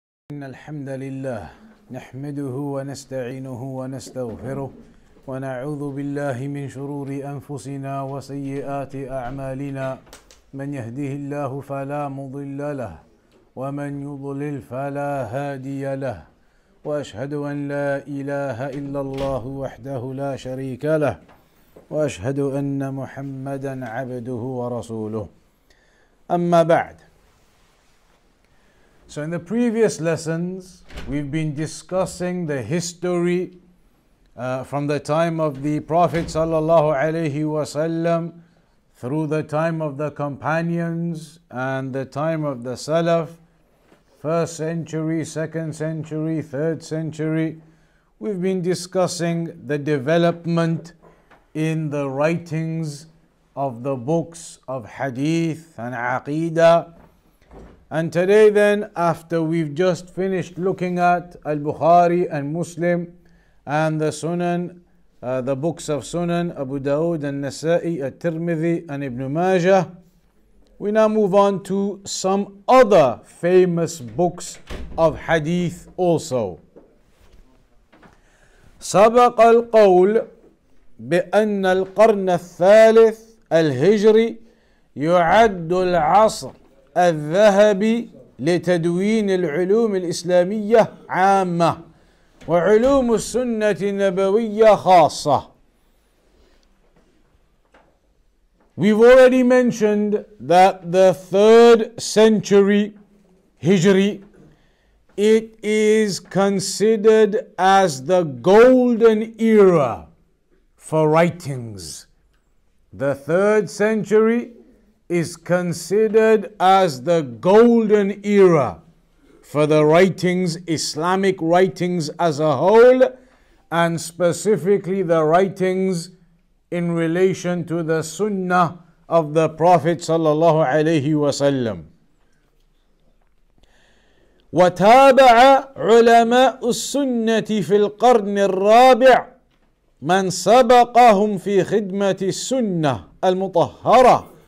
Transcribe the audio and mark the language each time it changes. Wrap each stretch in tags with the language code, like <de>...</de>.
<ar>إن الحمد لله نحمده ونستعينه ونستغفره ونعوذ بالله من شرور أنفسنا وسيئات أعمالنا من يهده الله فلا مضل له ومن يضلل فلا هادي له وأشهد أن لا إله إلا الله وحده لا شريك له وأشهد أن محمدا عبده ورسوله أما بعد.</ar> <en>So in the previous lessons, we've been discussing the history from the time of the Prophet sallallahu alaihi wasallam through the time of the companions and the time of the Salaf, first century, second century, third century. We've been discussing the development in the writings of the books of Hadith and Aqeedah. And today then, after we've just finished looking at Al-Bukhari and Muslim and the Sunan, the books of Sunan, Abu Dawud and Nasa'i, At-Tirmidhi and Ibn Majah, we now move on to some other famous books of Hadith also.</en> <ar>سبق القول بأن القرن الثالث الهجري يعد العصر الذهبي لتدوين العلوم الإسلامية عامة وعلوم السنة النبوية خاصة.</ar> <en>We've already mentioned that the third century Hijri, it is considered as the golden era for writings. The third century is considered as the golden era for the writings, Islamic writings as a whole, and specifically the writings in relation to the Sunnah of the Prophet sallallahu alaihi wasallam.</en> <ar>وتابع علماء السنة في القرن الرابع من سبقهم في خدمة السنة المطهرة.</ar>